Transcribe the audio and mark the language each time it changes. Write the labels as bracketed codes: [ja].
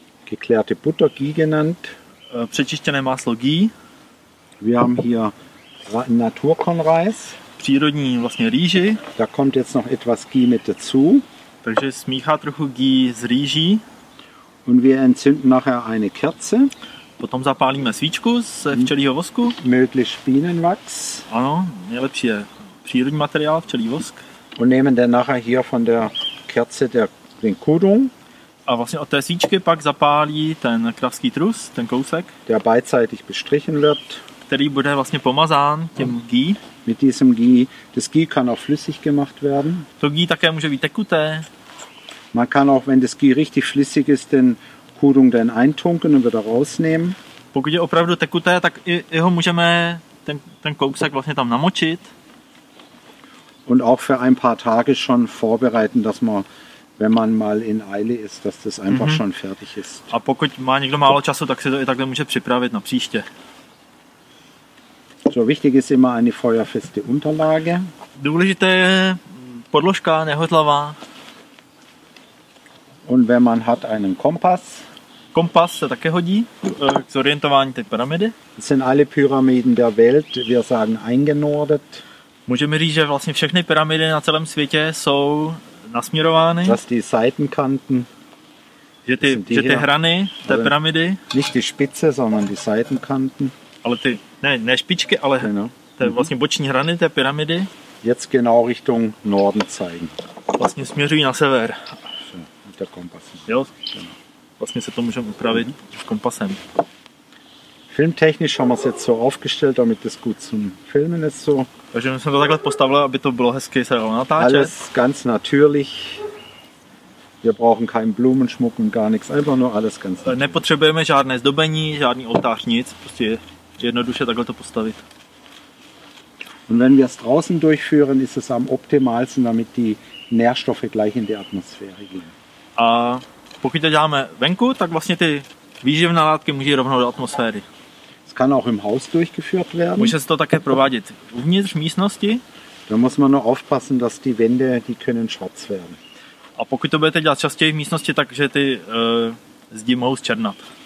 [de] Geklärte Butter, Ghee genannt. [cs] Přečištěné máslo Ghee. [de] Wir haben hier Naturkornreis. [cs] Přírodní vlastně rýži. [de] Da kommt jetzt noch etwas Ghee mit dazu. [cs] Takže smíchá trochu Ghee s rýží. [de] Und wir entzünden nachher eine Kerze. [cs] Potom zapálíme svíčku z včelího vosku. [de] Möglich Bienenwachs. [cs] Ano, nejlepší je přírodní materiál, včelí vosk. [de] Und nehmen dann nachher hier von der Kerze den Kudung. [cs] A vlastně od té svíčky pak zapálí ten kravský trus, ten kousek, [de] der beidseitig bestrichen wird, [cs] který bude vlastně pomazán tím ghee. [de] Mit diesem ghee, das ghee kann auch flüssig gemacht werden. [cs] To ghee také může být tekuté. [de] Man kann auch, wenn das ghee richtig flüssig ist, den Kudung dann eintunken und wieder rausnehmen. [cs] Pokud je opravdu tekuté, tak i ho můžeme ten kousek vlastně tam namočit. [de] Und auch für ein paar Tage schon vorbereiten, dass man, wenn man mal in Eile ist, dass das einfach schon fertig ist. [cs] A pokud má někdo málo času, tak si to i takhle může připravit na příště. [de] So wichtig ist immer eine feuerfeste Unterlage. [cs] Důležité je podložka nehotlavá. [de] Und wenn man hat einen Kompass. [cs] Kompas se také hodí k zorientování té pyramidy. [de] Sind alle Pyramiden der Welt, wir sagen eingenordet. [cs] Můžeme říct, že vlastně všechny pyramidy na celém světě jsou nasměrovány. [de] Dass die Seitenkanten, [cs] že ty hrany té pyramidy. [de] Nicht die Spitze, sondern die Seitenkanten. [cs] Ale ty, ne špičky, ale [de] genau. [cs] Ty vlastně boční hrany té pyramidy. [de] Jetzt genau Richtung Norden zeigen. [cs] Vlastně směřují na sever. [de] Mit der Kompass. [cs] Jo, vlastně se to můžeme upravit kompasem. [de] Filmtechnisch haben wir es jetzt so aufgestellt, damit das gut zum Filmen ist so. [cs] Takže my jsme to takhle postavili, aby to bylo hezky se dalo natáčet. [de] Alles ganz natürlich. Wir brauchen keinen Blumenschmuck und gar nichts, einfach nur alles ganz natürlich. [cs] Nepotřebujeme žádné zdobení, žádný oltář, nic, prostě jednoduše takhle to postavit. [de] Und wenn wir es draußen durchführen, ist es am optimalsten, damit die Nährstoffe gleich in die Atmosphäre gehen. [cs] A pokud to děláme venku, tak vlastně ty výživné látky můžou rovnou do atmosféry. [de] Kann auch im Haus durchgeführt werden. [cs] Může se to také provádět uvnitř místnosti. [de] Da muss man nur aufpassen, dass die Wände, die können schwarz werden. [cs] A pokud to budete dělat častěji v místnosti, takže ty zdi mohou zčernat.